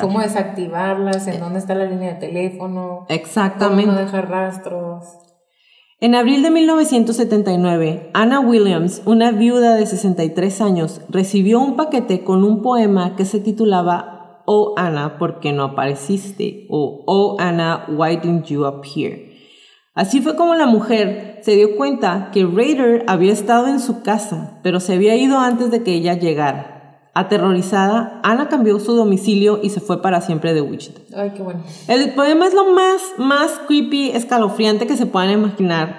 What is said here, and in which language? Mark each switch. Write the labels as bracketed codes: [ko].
[es] Cómo desactivarlas, en dónde está la línea de teléfono. Exactamente. Cómo no dejar rastros. En abril de 1979, Anna Williams, una viuda de 63 años, recibió un paquete con un poema que se titulaba "Oh Anna, ¿por qué no apareciste?" [en] o "Oh Anna, why didn't you appear?". [es] Así fue como la mujer se dio cuenta que Rader había estado en su casa, pero se había ido antes de que ella llegara. aterrorizada, Ana cambió su domicilio y se fue para siempre de Wichita. Ay, qué bueno. El poema es lo más creepy, escalofriante que se puedan imaginar.